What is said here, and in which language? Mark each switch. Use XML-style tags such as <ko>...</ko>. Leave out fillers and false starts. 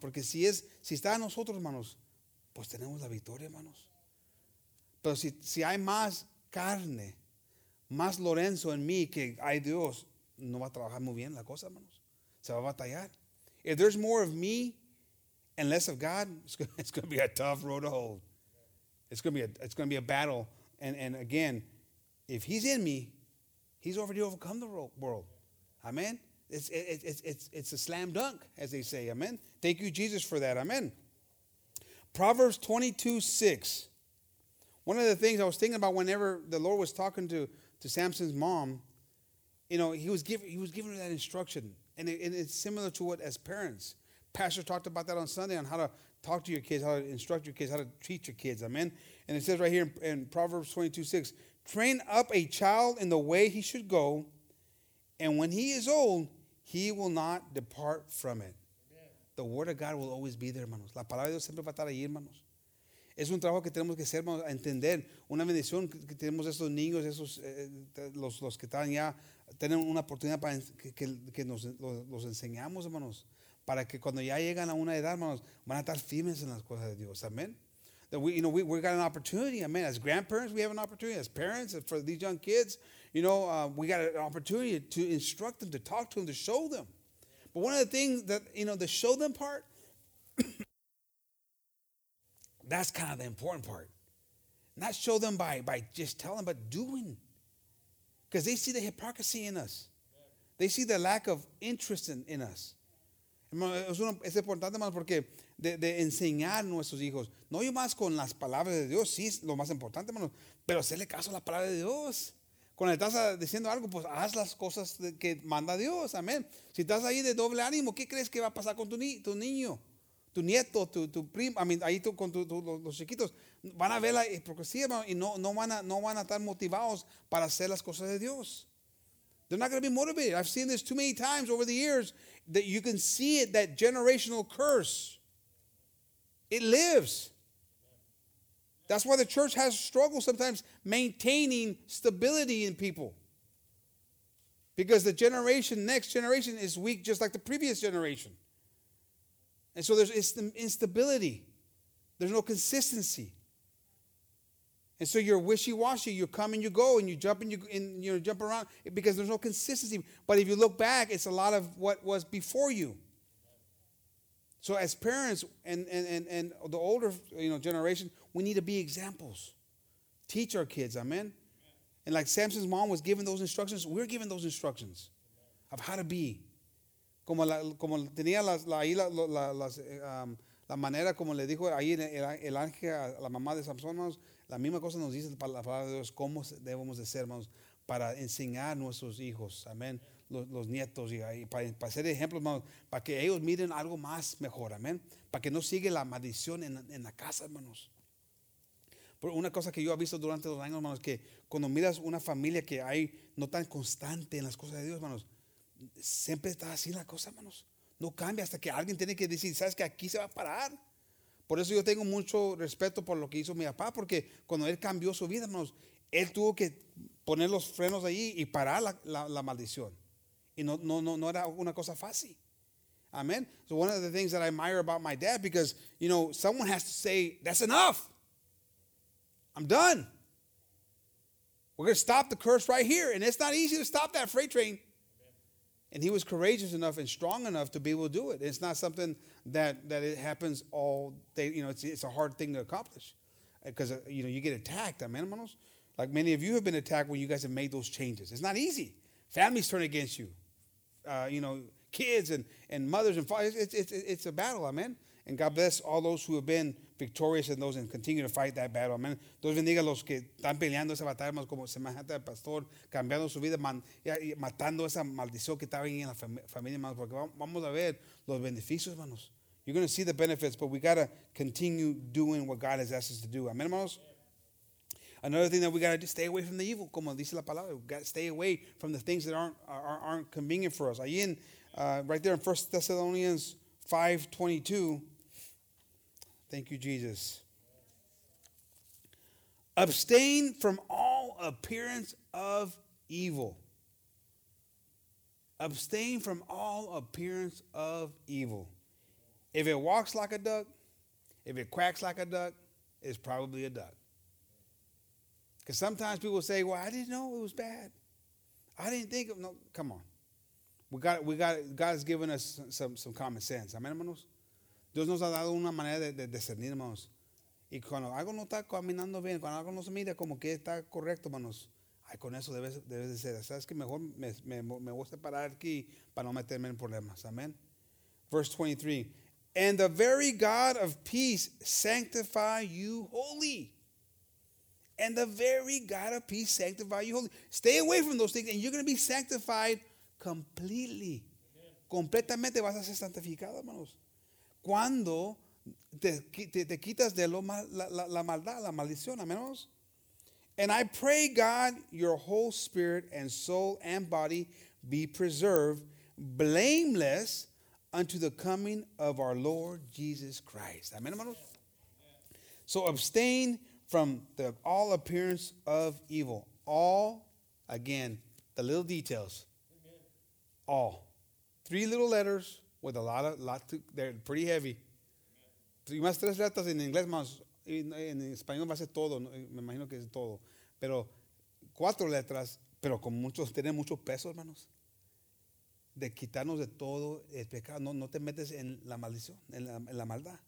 <es>Porque si está en nosotros, hermanos, pues tenemos la victoria, hermanos. Pero si hay más carne, más Lorenzo en mí que hay Dios, no va a trabajar muy bien la cosa, hermanos. Se va a batallar.</es> <en>If there's more of me and less of God, it's going to be a tough road to hold. It's going to be a battle. And again, if he's in me, he's already overcome the world. Amen. It's a slam dunk, as they say. Amen. Thank you, Jesus, for that. Amen. Proverbs 22:6. One of the things I was thinking about whenever the Lord was talking to Samson's mom, you know, he was giving her that instruction. And it's similar to what as parents. Pastor talked about that on Sunday on how to talk to your kids, how to instruct your kids, how to treat your kids. Amen. And it says right here in Proverbs 22:6, train up a child in the way he should go, and when he is old, he will not depart from it. Amen. The word of God will always be there, hermanos.</en> <es>La palabra de Dios siempre va a estar ahí, hermanos. Es un trabajo que tenemos que hacer, hermanos, a entender. Una bendición que tenemos estos niños, los que están ya, tienen una oportunidad para que los enseñamos, hermanos. Para que cuando ya llegan a una edad, hermanos, van a estar firmes en las cosas de Dios.</es> <en>Amén. We got an opportunity, amen. As grandparents, we have an opportunity. As parents, for these young kids, you know, we got an opportunity to instruct them, to talk to them, to show them. But one of the things that, you know, the show them part, that's kind of the important part. Not show them by just telling, but doing. Because they see the hypocrisy in us. They see the lack of interest in us.</en> <es>Es importante, hermano, porque de enseñar a nuestros hijos. No yo más con las palabras de Dios, sí, lo más importante, hermano. Pero hacerle caso a la palabra de Dios. Cuando estás diciendo algo, pues haz las cosas que manda Dios, amén. Si estás ahí de doble ánimo, ¿qué crees que va a pasar con tu niño? Tu nieto, tu primo, ahí tú, con los chiquitos. Van a ver la hipocresía, hermano, y no van a estar motivados para hacer las cosas de Dios.</es> <en>They're not going to be motivated. I've seen this too many times over the years that you can see it, that generational curse. It lives. That's why the church has struggled sometimes maintaining stability in people. Because the generation, next generation is weak just like the previous generation. And so there's instability. There's no consistency. And so you're wishy-washy. You come and you go and you jump and you jump around because there's no consistency. But if you look back, it's a lot of what was before you. So as parents and the older, you know, generation, we need to be examples. Teach our kids, amen? Amen. And like Samson's mom was given those instructions, we're given those instructions of how to be.</en> <es>Como tenía la manera, como le dijo ahí el ángel a la mamá de Samson, hermanos, la misma cosa nos dice la palabra de Dios, cómo debemos de ser, hermanos, para enseñar a nuestros hijos, amén, los nietos, y para ser ejemplos, hermanos, para que ellos miren algo más mejor, amén, para que no siga la maldición en la casa, hermanos. Pero una cosa que yo he visto durante los años, hermanos, que cuando miras una familia que hay no tan constante en las cosas de Dios, hermanos, siempre está así la cosa, hermanos. No cambia hasta que alguien tiene que decir, ¿sabes qué? Aquí se va a parar. Por eso yo tengo mucho respeto por lo que hizo mi papá, porque cuando él cambió su vida, hermanos, él tuvo que poner los frenos ahí y parar la maldición. Y no era una cosa fácil. Amen.</es> <en>So one of the things that I admire about my dad, because, you know, someone has to say, that's enough. I'm done. We're going to stop the curse right here. And it's not easy to stop that freight train. And he was courageous enough and strong enough to be able to do it. It's not something that it happens all day. You know, it's a hard thing to accomplish because, you know, you get attacked. Amen, hermanos. Like many of you have been attacked when you guys have made those changes. It's not easy. Families turn against you. You know, kids and mothers and fathers. It's a battle, amen. And God bless all those who have been victorious and those and continue to fight that battle, amen.</en> <es>Dios bendiga a los que están peleando esa batalla, como semejante al pastor, cambiando su vida, matando esa maldición que estaba en la familia, hermanos, porque vamos a ver los beneficios, hermanos.</es> <en>You're going to see the benefits, but we got to continue doing what God has asked us to do. Amen, hermanos? Another thing that we got to do, stay away from the evil,</en> <es>como dice la palabra.</es> <en>We got to stay away from the things that aren't convenient for us.</en> <es>Ahí en,</es> <en>right there in 1 Thessalonians 5:22. Thank you, Jesus. Abstain from all appearance of evil. Abstain from all appearance of evil. If it walks like a duck, if it quacks like a duck, it's probably a duck. Because sometimes people say, well, I didn't know it was bad. I didn't think of, no, come on. God has given us some common sense. Amen, hermanos?</en> <es>Dios nos ha dado una manera de discernir, hermanos. Y cuando algo no está caminando bien, cuando algo no se mira como que está correcto, hermanos, ay, con eso debes de ser. Sabes que mejor me voy a separar aquí para no meterme en problemas.</es> <en>Amen. Verse 23. And the very God of peace sanctify you wholly. And the very God of peace sanctify you wholly. Stay away from those things and you're going to be sanctified completely.</en> <es>Amen. Completamente vas a ser santificado, hermanos. Cuando te quitas de lo mal, la maldad, la maldición, amén.</es> <en>And I pray, God, your whole spirit and soul and body be preserved blameless unto the coming of our Lord Jesus Christ. Amen, hermanos. So abstain from the all appearance of evil. All, again, the little details. All. Three little letters with a lot, they're pretty heavy.</en> <es>Y más tres letras en inglés, más en español va a ser todo, me imagino que es todo. Pero cuatro letras, pero con muchos, tiene mucho peso, hermanos. De quitarnos de todo el pecado. No te metes en la maldición, en la maldad.</es>